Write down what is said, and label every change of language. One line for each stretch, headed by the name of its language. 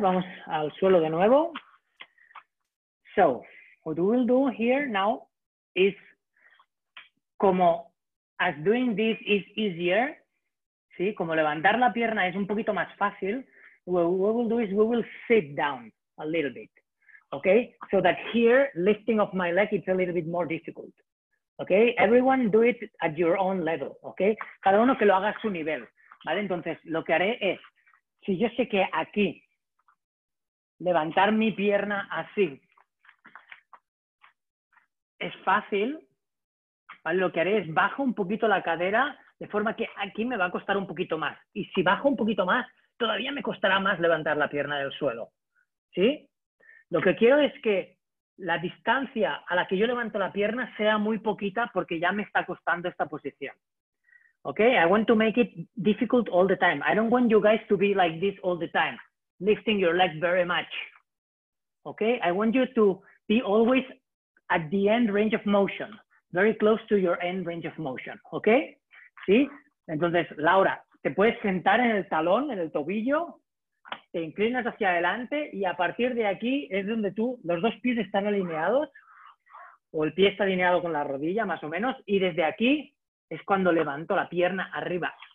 Spanish: Vamos al suelo de nuevo.
English: So, what we'll do here now is, como as doing this is easier, ¿sí?
Spanish: Como levantar la pierna es un poquito más fácil,
English: what we'll do is we will sit down a little bit. Okay, so that here, lifting of my leg, it's a little bit more difficult. Okay, everyone do it at your own level.
Spanish: Okay, cada uno que lo haga a su nivel. Vale, entonces lo que haré es, si yo sé que aquí, levantar mi pierna así, es fácil, ¿vale? Lo que haré es bajo un poquito la cadera, de forma que aquí me va a costar un poquito más. Y si bajo un poquito más, todavía me costará más levantar la pierna del suelo. ¿Sí? Lo que quiero es que la distancia a la que yo levanto la pierna sea muy poquita porque ya me está costando esta posición.
English: Okay, I want to make it difficult all the time. I don't want you guys to be like this all the time, lifting your legs very much. Okay, I want you to be always at the end range of motion, very close to your end range of motion.
Spanish: Okay, ¿sí? Entonces, Laura, te puedes sentar en el talón, en el tobillo, te inclinas hacia adelante y a partir de aquí es donde tú, los dos pies están alineados o el pie está alineado con la rodilla más o menos y desde aquí es cuando levanto la pierna arriba.